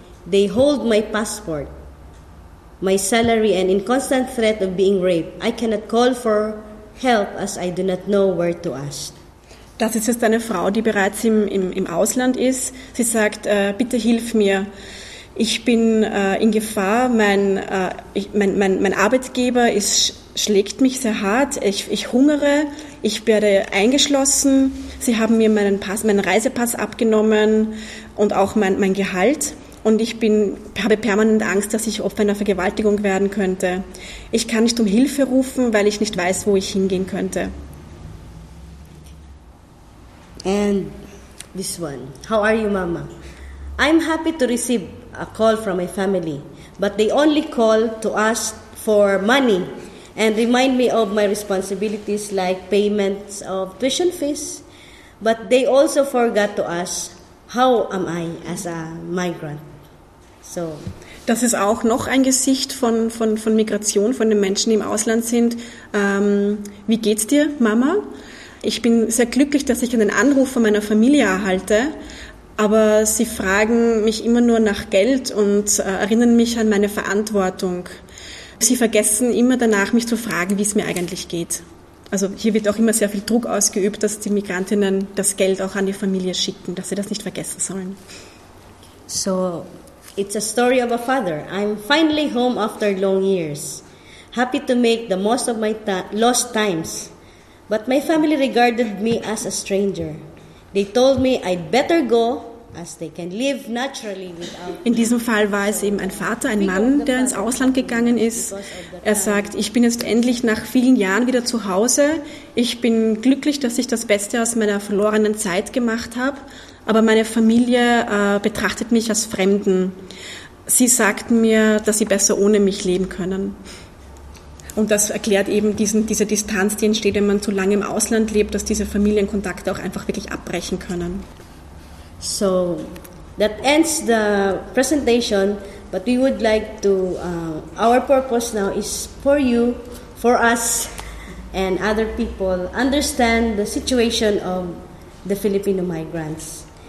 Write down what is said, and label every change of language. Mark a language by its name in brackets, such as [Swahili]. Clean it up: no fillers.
[English] They hold my passport, my salary and in constant threat of being raped. I cannot call for help, as I do not know where to ask. [German] Das ist jetzt eine Frau, die bereits im Ausland ist. Sie sagt, bitte hilf mir. Ich bin in Gefahr. Mein Arbeitgeber schlägt mich sehr hart. Ich hungere. Ich werde eingeschlossen. Sie haben mir meinen Reisepass abgenommen und auch mein Gehalt. Und ich habe permanent Angst, dass ich Opfer einer Vergewaltigung werden könnte. Ich kann nicht um Hilfe rufen, weil ich nicht weiß, wo ich hingehen könnte. [English] And this one. How are you, Mama? I'm happy to receive a call from my family, but they only call to ask for money and remind me of my responsibilities like payments of tuition fees, but they also forgot to ask, how am I as a migrant? So. [German] Das ist auch noch ein Gesicht von Migration, von den Menschen, die im Ausland sind. Wie geht's dir, Mama? Ich bin sehr glücklich, dass ich einen Anruf von meiner Familie erhalte, aber sie fragen mich immer nur nach Geld und erinnern mich an meine Verantwortung. Sie vergessen immer danach, mich zu fragen, wie es mir eigentlich geht. Also hier wird auch immer sehr viel Druck ausgeübt, dass die Migrantinnen das Geld auch an die Familie schicken, dass sie das nicht vergessen sollen. [English] So it's a story of a father. I'm finally home after long years, happy to make the most of my lost times. But my family regarded me as a stranger. They told me I'd better go, as they can live naturally without. [German] In diesem Fall war es eben ein Vater, ein Mann, der ins Ausland gegangen ist. Er sagt, ich bin jetzt endlich nach vielen Jahren wieder zu Hause. Ich bin glücklich, dass ich das Beste aus meiner verlorenen Zeit gemacht habe. Aber meine Familie betrachtet mich als Fremden. Sie sagten mir, dass sie besser ohne mich leben können. Und das erklärt eben diese Distanz, die entsteht, wenn man zu lange im Ausland lebt, dass diese Familienkontakte auch einfach wirklich abbrechen können. [English] So, that ends the presentation, but we would like to, our purpose now is for you, for us and other people, understand the situation of the Filipino migrants.